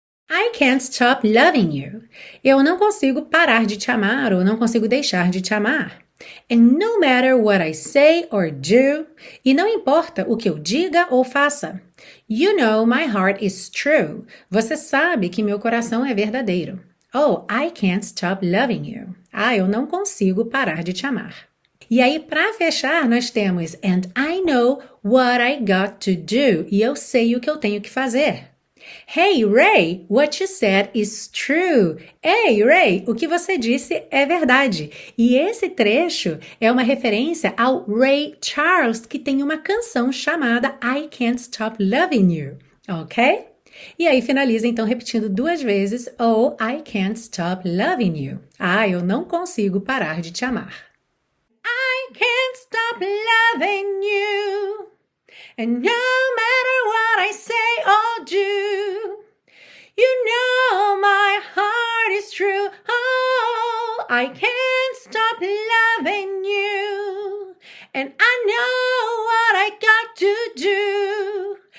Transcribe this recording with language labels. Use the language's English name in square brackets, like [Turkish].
[English] I can't stop loving you. [Portuguese] Eu não consigo parar de te amar ou não consigo deixar de te amar. [English] And no matter what I say or do, [Portuguese] e não importa o que eu diga ou faça, [English] you know my heart is true. [Portuguese] Você sabe que meu coração é verdadeiro. [English] Oh, I can't stop loving you. [Portuguese] Ah, eu não consigo parar de te amar. E aí, para fechar, nós temos [English] And I know what I got to do. [Portuguese] E eu sei o que eu tenho que fazer. [English] Hey, Ray, what you said is true. [Portuguese] Hey, Ray, o que você disse é verdade. E esse trecho é uma referência ao Ray Charles, que tem uma canção chamada I Can't Stop Loving You. Ok? E aí finaliza então repetindo duas vezes, [English] Oh, I can't stop loving you. [Portuguese] Ah, eu não consigo parar de te amar. [English] I can't stop loving you. And no matter what I say or do, you know my heart is true. Oh, I can't stop loving you. And I know what I got to do.